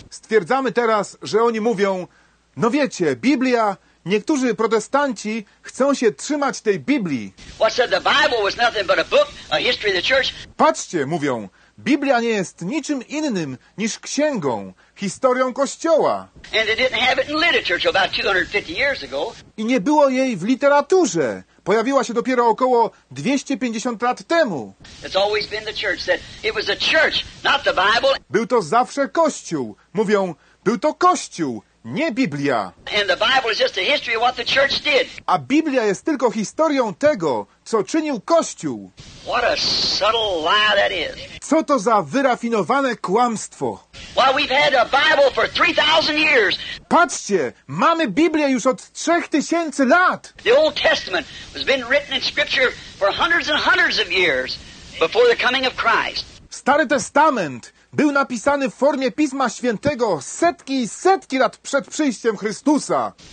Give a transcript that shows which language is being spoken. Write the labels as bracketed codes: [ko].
[pl] Stwierdzamy teraz, że oni mówią, no wiecie, Biblia, niektórzy protestanci chcą się trzymać tej Biblii. [en] What said the Bible was nothing but a book, a history of the church. [pl] Patrzcie, mówią, Biblia nie jest niczym innym niż księgą, historią Kościoła. [en] And they didn't have it in literature till about 250 years ago. [pl] I nie było jej w literaturze. Pojawiła się dopiero około 250 lat temu. [en] It's always been the church that it was a church, not the Bible. [pl] Był to zawsze Kościół. Mówią, był to Kościół, nie Biblia. [en] And the Bible is just a history of what the church did. [pl] A Biblia jest tylko historią tego, co czynił Kościół. [en] What a subtle lie that is. [pl] Co to za wyrafinowane kłamstwo? [en] Well, we've had a Bible for 3,000 years. [pl] Patrzcie, mamy Biblię już od 3000 lat. [en] The Old Testament has been written in scripture for hundreds and hundreds of years before the coming of Christ. [pl] Stary Testament był napisany w formie Pisma Świętego setki i setki lat przed przyjściem Chrystusa.